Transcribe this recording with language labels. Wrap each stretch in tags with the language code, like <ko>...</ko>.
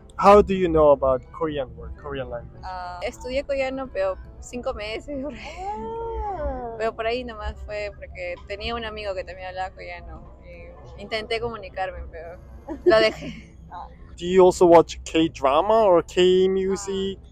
<en>How do you know about Korean word, Korean language?</en> <es>Estudié coreano, pero 5 meses. Pero por ahí nomás fue porque tenía un amigo que también hablaba coreano. Y intenté comunicarme, pero lo dejé.</es> <en>Do you also watch K-drama or K-music?</en>